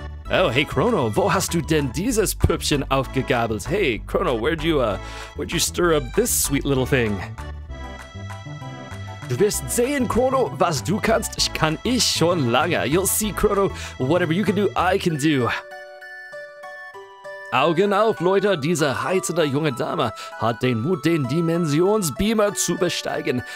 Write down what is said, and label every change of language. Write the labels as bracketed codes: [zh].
[de] Oh, hey, Crono, wo hast du denn dieses Püppchen aufgegabelt? [en] Hey, Crono, where'd you stir up this sweet little thing? [de] Du wirst sehen, Crono, was du kannst, kann ich schon lange. [en] You'll see, Crono, whatever you can do, I can do. [de] Augen auf, Leute, diese heizende junge Dame hat den Mut, den Dimensionsbeamer zu besteigen.